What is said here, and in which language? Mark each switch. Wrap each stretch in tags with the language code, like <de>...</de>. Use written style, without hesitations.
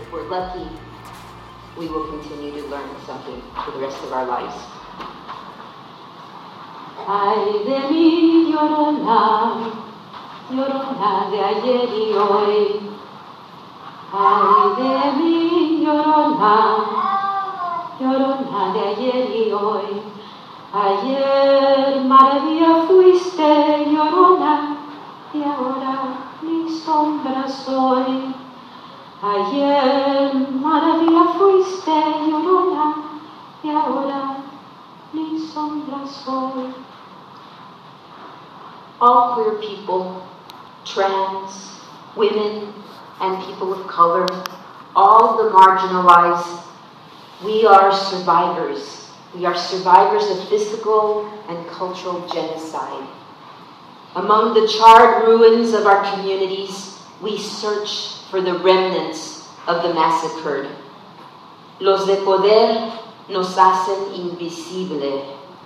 <en>Lucky, we will continue to learn something for the rest of our lives.</en> <es>Ay de mi llorona, llorona de ayer y hoy. Ay de mi llorona, llorona de ayer y hoy. Ayer maravilla fuiste, llorona, y ahora mi sombra soy. Ayer maravilla fuiste, llorona, y ahora mi sombra soy.</es> <en>All queer people, trans, women, and people of color, all the marginalized, we are survivors. We are survivors of physical and cultural genocide. Among the charred ruins of our communities, we search for the remnants of the massacred.</en> <es>Los de poder nos hacen invisible.</es>